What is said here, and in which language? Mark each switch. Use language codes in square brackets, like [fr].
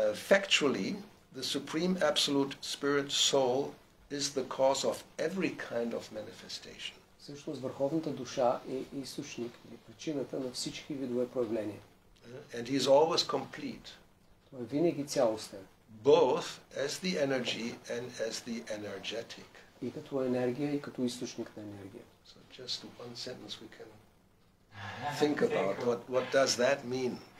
[en] Factually, the Supreme Absolute Spirit Soul is the cause of every kind of manifestation. [bg] Всъщност върховната душа е източник или причината на всички видове проявления. [en] And he is always complete. [bg] Той винаги цялостен. [en] Both as the energy and as the energetic. [bg] И като енергия и като източник на енергия. [en] So just one sentence we can think about what does that mean?